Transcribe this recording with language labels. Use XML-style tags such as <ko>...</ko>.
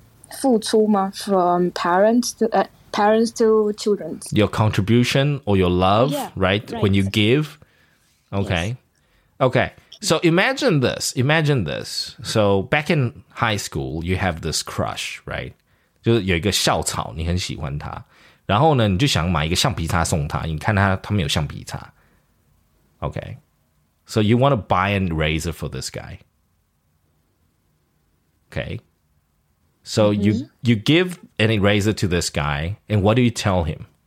<zh>付出吗</zh> <en>from parents to children. Your contribution or your love, yeah, right? When you give. Okay. Yes. Okay. So imagine this. Imagine this. So back in high school, you have this crush, right?</en> <zh>就是有一个校草你很喜欢他。然后呢你就想买一个橡皮擦送他。你看他没有橡皮擦。</zh> <en>Okay. So you want to buy an eraser for this guy. Okay. So you give an eraser to this guy, and what do you tell him?</en>